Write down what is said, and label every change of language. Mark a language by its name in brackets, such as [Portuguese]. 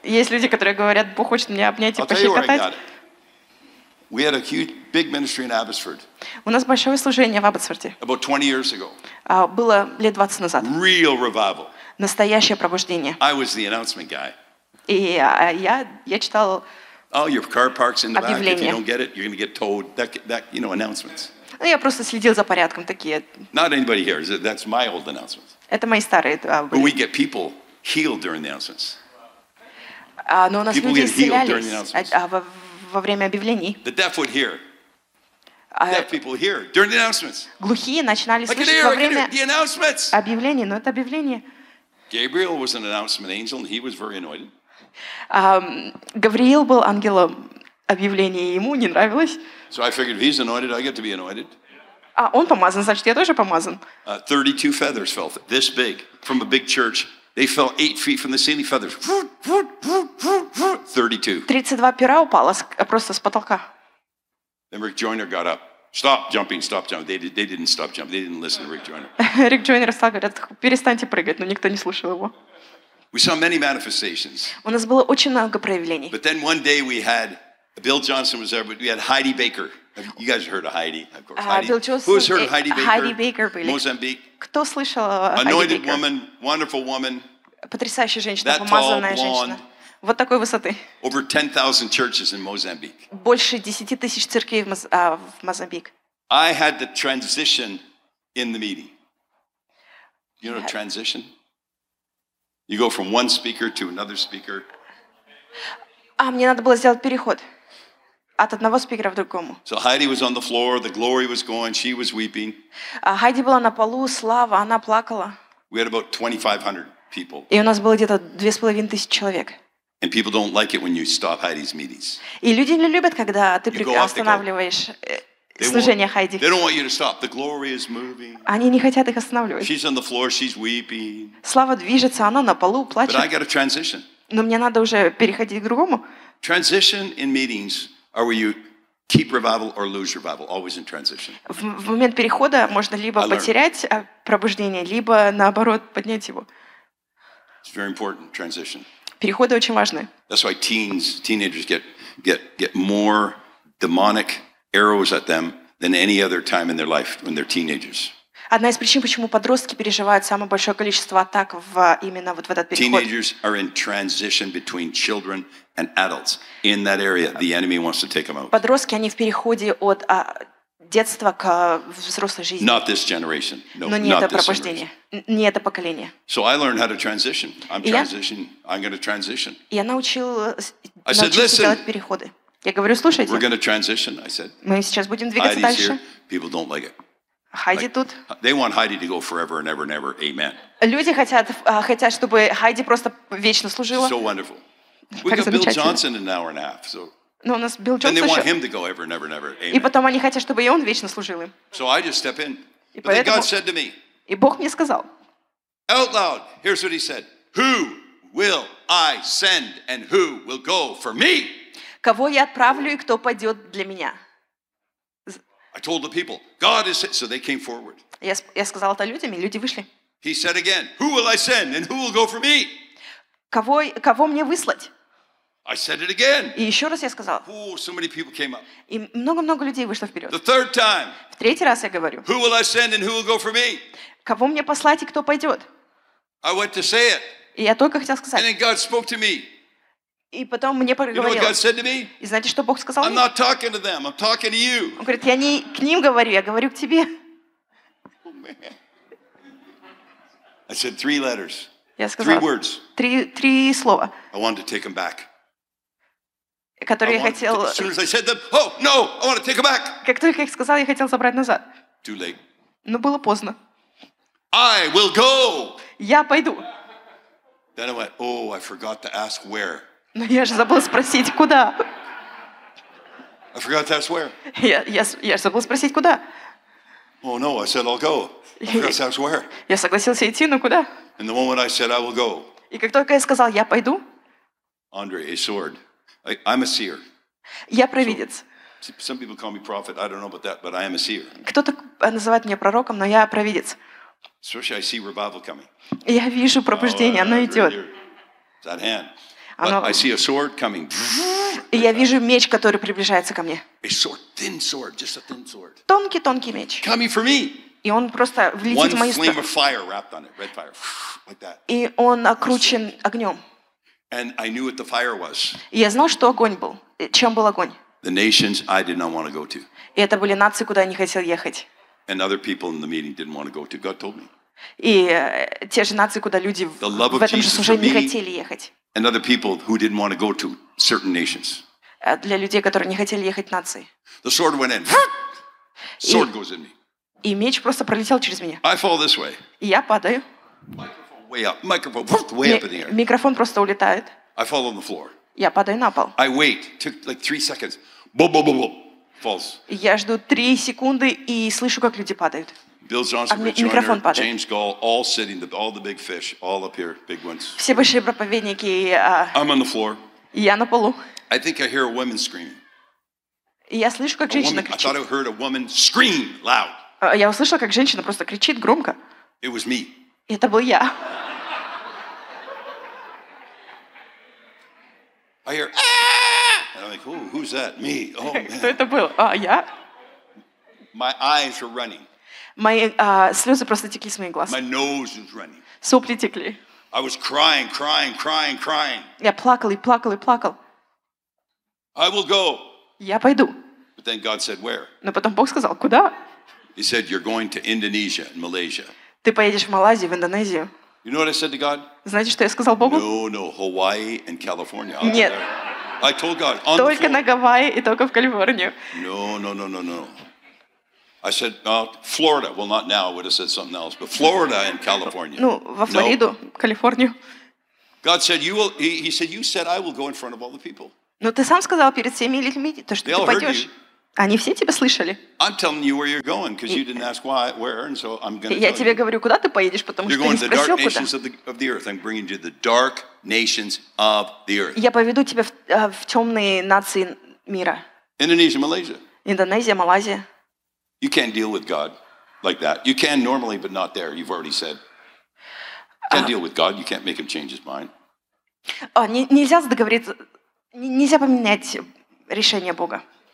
[Russian] Есть люди, которые говорят, Бог хочет меня обнять и пощекотать. [English] We had a huge, big ministry in Abbotsford. [Russian] У нас большое служение в Абботсфорде. [English] About 20 years ago. [Russian] Было лет 20 назад. [English] Real revival. [Russian] Настоящее пробуждение. [English] I was the announcement guy. [Russian] И я читал. [English] Oh, your car parks in the back. If you don't get it, you're going to get towed. That you know, announcements. [Russian] Ну я просто следил за порядком такие. [English] Not anybody here. That's my old announcements. [Russian] Это мои старые. [English] But we get people healed during the announcements. [Russian] Но у нас [English] people [Russian] люди [English] get healed during the announcements. [Russian] Во время объявлений. [English] The deaf would hear. Deaf people hear during the announcements. [Russian] Глухие начинали [English] like [Russian] слышать во время [English] the announcements. [Russian] Объявлений, но это объявление. [English] Gabriel was an announcement angel, and he was very annoyed. [Russian] Гавриил был ангелом объявлений, и ему не нравилось. [English] So I figured, if he's anointed, I get to be anointed. [Russian] Он помазан, значит, я тоже помазан. [English] 32 feathers fell, this big, from a big church. They fell 8 feet from the ceiling feathers. [Russian] 32 пера упало просто с потолка. [English] Then Rick Joyner got up. Stop jumping, stop jumping. They didn't stop jumping. They didn't listen to Rick Joyner. [Russian] Рик Джойнер стал говорит, перестаньте прыгать, но никто не слушал его. [English] We saw many manifestations. [Russian] У нас было очень много проявлений. [English] But then one day we had Bill Johnson was there, but we had Heidi Baker. You guys heard of Heidi, of course. Bill Johnson, who has heard of Heidi Baker? Heidi Baker, Mozambique. [Russian] Кто слышал о Heidi Baker? [English] Anointed woman, wonderful woman. [Russian] Потрясающая женщина, [English] that [Russian] помазанная [English] tall, [Russian] женщина. [English] Blonde, [Russian] вот такой высоты. [English] Over 10,000 churches in Mozambique. [Russian] Больше 10,000 церквей в Мозамбик. [English] I had the transition in the meeting. You know transition? You go from one speaker to another speaker. [Russian] Мне надо было сделать переход от одного спикера к другому. [English] So Heidi was on the floor, the glory was gone, she was weeping. [Russian] Heidi была на полу, слава, она плакала. [English] We had about 2,500 people. [Russian] И у нас было где-то 2,500 человек. [English] And people don't like it when you stop Heidi's meetings. [Russian] И люди не любят, когда ты останавливаешь служение Хайди. [English] They don't want you to stop. The glory is moving. [Russian] Они не хотят их останавливать. [English] She's on the floor, she's weeping. [Russian] Слава движется, она на полу плачет. [English] But I got a transition. [Russian] Но мне надо уже переходить к другому. [English] Transition in meetings are where you keep revival or lose revival, always in transition. [Russian] В момент перехода можно либо потерять пробуждение, либо наоборот поднять его. [English] It's very important transition. [Russian] Переходы очень важны. [English] That's why teenagers get more demonic arrows at them than any other time in their life when they're teenagers. [Russian] Одна из причин, почему подростки переживают самое большое количество атак именно вот в этот переход. [English] Teenagers are in transition between children and adults. In that area, the enemy wants to take them out. [Russian] Подростки, они в переходе от детства к взрослой жизни. [English] Not this generation. [Russian] Но не это пробуждение. Не это поколение. [English] So I learned how to transition. I'm transitioning. I'm going to transition. [Russian] Я научился делать переходы. Я говорю, слушайте. [English] We're going to transition, I said. [Russian] Мы сейчас будем двигаться дальше. [English] Heidi's here. People don't like it. [Russian] Хайди тут. [English] They want Heidi to go forever and ever and ever. Amen. [Russian] Люди хотят, чтобы Хайди просто вечно служила. [English] So wonderful. We got Bill Johnson an hour and a half. So. [Russian] Но у нас Билл Джонс. [English] And they want him to go ever and ever and ever. Amen. [Russian] И потом они хотят, чтобы и он вечно служил им. [English] So I just step in. But then God said to me. [Russian] И Бог мне сказал. [English] Out loud, here's what he said. Who will I send and who will go for me? [Russian] Кого я отправлю и кто пойдет для меня? [English] I told the people, God is it. So they came forward. [Russian] Я сказал это людям, и люди вышли. [English] He said again, who will I send and who will go for me? [Russian] Кого мне выслать? [English] I said it again. [Russian] И еще раз я сказал. [English] Oh, so many people came up. [Russian] И много-много людей вышло вперед. [English] The third time. [Russian] В третий раз я говорю. [English] Who will I send and who will go for me? [Russian] Кого мне послать и кто пойдет? [English] I went to say it. [Russian] И я только хотел сказать. [English] And then God spoke to me. [Russian] И потом мне поговорил. [English] You know, [Russian] и знаете, что Бог сказал мне? [English] I'm not talking to them, I'm talking to you. [Russian] Он говорит, я не к ним говорю, я говорю к тебе. [English] I said three letters. [Russian] Я сказал, [English] three words. [Russian] Три слова. [English] I wanted to take them back. [Russian] Которые я хотел... [English] As soon as I said them, oh, no, I want to take them back. [Russian] Как только я их сказал, я хотел забрать назад. [English] Too late. [Russian] Но было поздно. [English] I will go. [Russian] Я пойду. [English] Then I went, oh, I forgot to ask where. [Russian] Но я же забыл спросить, куда. [English] I forgot to ask where. [Russian] Я же забыл спросить, куда. [English] Oh, no, I said, I'll go. I forgot to ask where. [Russian] Я согласился идти, но куда? [English] And the moment I said, I will go. [Russian] И как только я сказал, я пойду. [English] Andre, a sword. I'm a seer. [Russian] Я провидец. [English] So, some people call me prophet. I don't know about that, but I am a seer. [Russian] Кто-то называет меня пророком, но я провидец. [English] Especially, I see revival coming. [Russian] Я вижу пробуждение, оно идет. [English] That hand. I see a sword coming. [Russian] Я вижу меч, который приближается ко мне. [English] A sword, thin sword, just a thin sword. [Russian] Тонкий меч. [English] Coming for me. [Russian] И он просто влетит в мою сторону. [English] One flame of fire wrapped on it, red fire, like that. [Russian] И он окручен огнем. [English] And I knew what the fire was. [Russian] И я знал, что огонь был. Чем был огонь? [English] The nations I did not want to go to. [Russian] И это были нации, куда я не хотел ехать. [English] And other people in the meeting didn't want to go to. God told me. [Russian] И те же нации, куда люди в этом же служении не хотели ехать. [English] And other people who didn't want to go to certain nations. [Russian] Для людей, которые не хотели ехать нации. [English] The sword went in. Sword goes in me. [Russian] И меч просто пролетел через меня. [English] I fall this way. [Russian] И я падаю. [English] Microphone way up. Microphone way up in the air. [Russian] Микрофон просто улетает. [English] I fall on the floor. [Russian] Я падаю на пол. [English] I wait. Took like 3 seconds. Boom, boom, boom, boom. Falls. [Russian] Я жду 3 секунды и слышу, как люди падают. [English] Bill Johnson, Rich Hunter, James Gall, all sitting, all the big fish, all up here, big ones. [Russian] Все большие проповедники. [English] I'm on the floor. [Russian] Я на полу. [English] I think I hear a woman screaming. [Russian] Я слышу, как женщина кричит. [English] I thought I heard a woman scream loud. [Russian] Я услышал, как женщина просто кричит громко. [English] It was me. [Russian] Это был я. [English] I hear, ah! And I'm like, oh, who's that? Me. Oh, man. [Russian] Кто это был? А, я? [English] My eyes were running. [Russian] Мои слезы просто текли с моих глаз. [English] My nose was running. [Russian] Сопли текли. [English] I was crying, crying, crying, crying. [Russian] Я плакал и плакал и плакал. [English] I will go. [Russian] Я пойду. [English] But then God said, where? [Russian] Но потом Бог сказал, куда? [English] He said, you're going to Indonesia and Malaysia. [Russian] Ты поедешь в Малайзию, в Индонезию. [English] You know what I said to God? [Russian] Знаете, что я сказал Богу? [English] No, no, Hawaii and California. [Russian] Нет. [English] I told God, [Russian] только на Гавайи и только в Калифорнию. [English] No, no, no, no, no. I said, oh, Florida. Well, not now. I would have said something else. But Florida and California. [Russian] Ну, во Флориду, Калифорнию. [English] God said, "You will." He said, "You said I will go in front of all the people." [Russian] Но ты сам сказал перед всеми людьми то, что ты пойдешь. Они все тебя слышали. [English] I'm telling you where you're going because you didn't ask why, where, and so I'm going to. [Russian] Я тебе говорю, куда ты поедешь, потому что ты не спросил куда. [English] You're going to the dark nations of the earth. I'm bringing you the dark nations of the earth. [Russian] Я поведу тебя в темные нации мира. [English] Indonesia, Malaysia. [Russian] Индонезия, Малайзия. [English] You can't deal with God like that. You can normally, but not there. You've already said. Can't deal with God. You can't make him change his mind. [Russian] Нельзя договориться. Нельзя поменять решение Бога.